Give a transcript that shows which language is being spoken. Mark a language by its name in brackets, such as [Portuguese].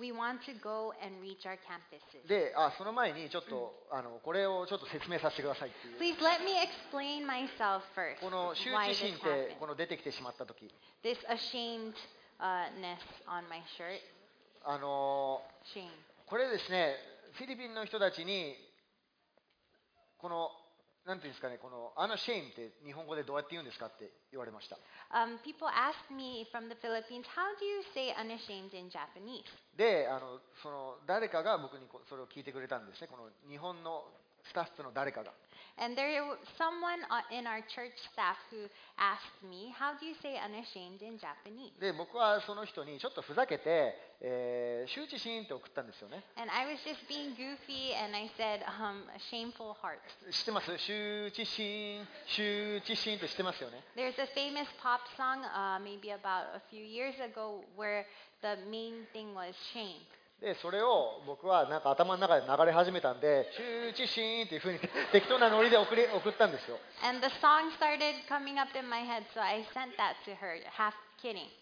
[English] We want to go and reach our campuses. [Japanese] で、あ、その前にちょっと、mm-hmm. これをちょっと説明させてくださいっていう。 [English] Please let me explain myself first. [Japanese] この羞恥心ってこの出てきてしまった時。 [English] This ashamedness on my shirt. Shame. [Japanese] これですね、フィリピンの人たちにこのなんていうんですかね、このあのシェイムって日本語でどうやって言うんですかって言われました。 [English] People ask me from the Philippines, how do you say unashamed in Japanese? [Japanese] で、その誰かが僕にそれを聞いてくれたんですね。この日本のスタッフの誰かが。 [English] And there was someone in our church staff who asked me, how do you say unashamed in Japanese? [Japanese] で、僕はその人にちょっとふざけて、羞恥心って送ったんですよね。 [English] And I was just being goofy and I said, shameful heart. [Japanese] 知ってます? 羞恥心、羞恥心って知ってますよね。 [English] There's a famous pop song, maybe about a few years ago, where the main thing was shame. [Japanese] でそれを僕はなんか頭の中で流れ始めたんで、羞恥心っていう風に適当なノリで送ったんですよ。 [English] And the song started coming up in my head, so I sent that to her, half kidding.